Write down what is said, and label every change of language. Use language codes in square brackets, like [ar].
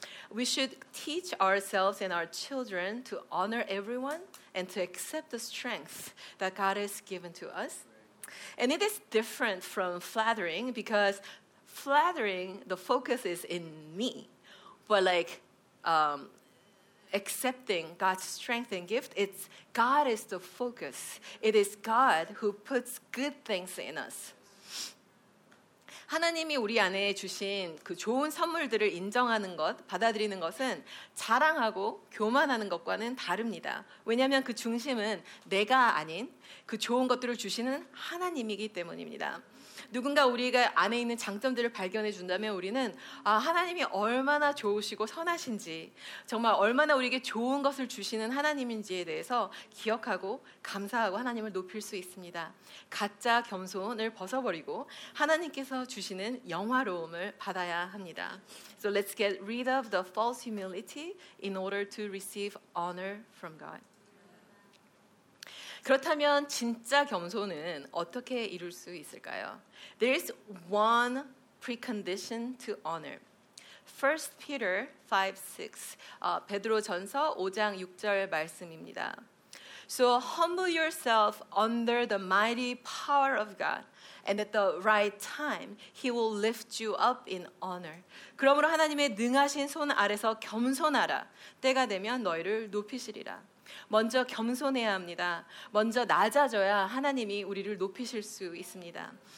[en] We should teach ourselves and our children to honor everyone and to accept the strength that God has given to us. And it is different from flattering because flattering, the focus is in me. But like accepting God's strength and gift, it's God is the focus. It is God who puts good things in us. [ko] 하나님이 우리 안에 주신 그 좋은 선물들을 인정하는 것, 받아들이는 것은 자랑하고 교만하는 것과는 다릅니다. 왜냐하면 그 중심은 내가 아닌 그 좋은 것들을 주시는 하나님이기 때문입니다. 누군가 우리가 안에 있는 장점들을 발견해 준다면 우리는 아, 하나님이 얼마나 좋으시고 선하신지, 정말 얼마나 우리에게 좋은 것을 주시는 하나님인지에 대해서 기억하고 감사하고 하나님을 높일 수 있습니다. 가짜 겸손을 벗어버리고 하나님께서 주시는 영화로움을 받아야 합니다. [en] So let's get rid of the false humility in order to receive honor from God. [ko] 그렇다면 진짜 겸손은 어떻게 이룰 수 있을까요? [en] There is one precondition to honor. 1 Peter 5:6. [ko] 베드로 전서 5장 6절 말씀입니다. [en] So humble yourself under the mighty power of God, and at the right time he will lift you up in honor. [ko] 그러므로 하나님의 능하신 손 아래서 겸손하라. 때가 되면 너희를 높이시리라. 먼저 겸손해야 합니다. 먼저 낮아져야 하나님이 우리를 높이실 수 있습니다.